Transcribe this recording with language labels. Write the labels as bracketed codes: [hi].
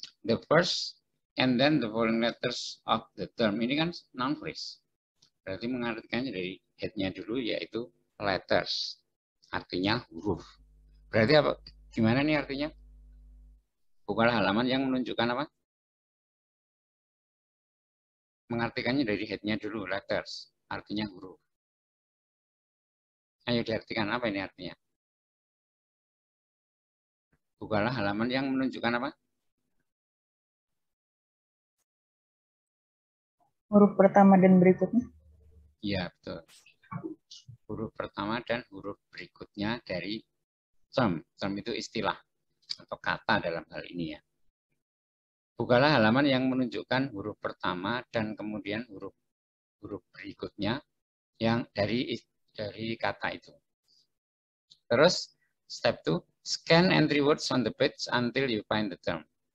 [en] The first and then the following letters of the term. [id] Ini kan noun phrase. Berarti mengartikannya dari headnya dulu yaitu letters. Artinya huruf. Berarti apa? Gimana nih artinya? Bukalah halaman yang menunjukkan apa? Mengartikannya dari headnya dulu, letters. Artinya huruf. Ayo diartikan apa ini artinya? Bukalah halaman yang menunjukkan apa? Huruf pertama dan berikutnya? Ya, betul. Huruf pertama dan huruf berikutnya dari term. Term itu istilah atau kata dalam hal ini ya. Bukalah halaman yang menunjukkan huruf pertama dan kemudian huruf huruf berikutnya yang dari kata itu. [en] Terus step 2, scan entry words on the page until you find the term.